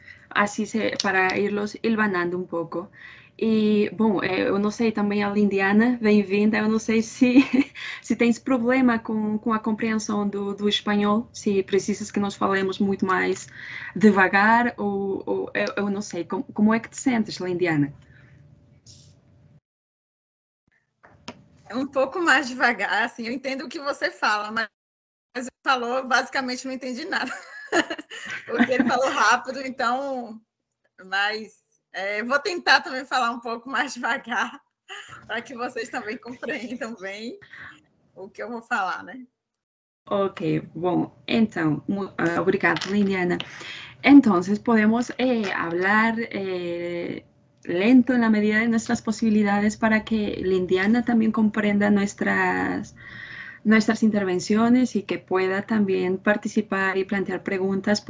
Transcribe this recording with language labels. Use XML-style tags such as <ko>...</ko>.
<es>Así para irlos hilvanando un poco. Y bueno, no sé también a Lindiana, bienvenida, no sé si tienes problema con la comprensión do español, si precisas que nos falemos mucho más devagar o no sé, ¿cómo es que te sientes, Lindiana?</es> <pt>Um pouco mais devagar, assim, eu entendo o que você fala, mas ele falou, basicamente, não entendi nada. Porque ele falou rápido, então. Mas vou tentar também falar um pouco mais devagar, para que vocês também compreendam bem o que eu vou falar, né?</pt> <es>Ok, bueno, entonces, obrigada, Liliana. Entonces, podemos hablar lento en la medida de nuestras posibilidades para que Liliana también comprenda nuestras intervenciones y que pueda también participar y plantear preguntas.</es>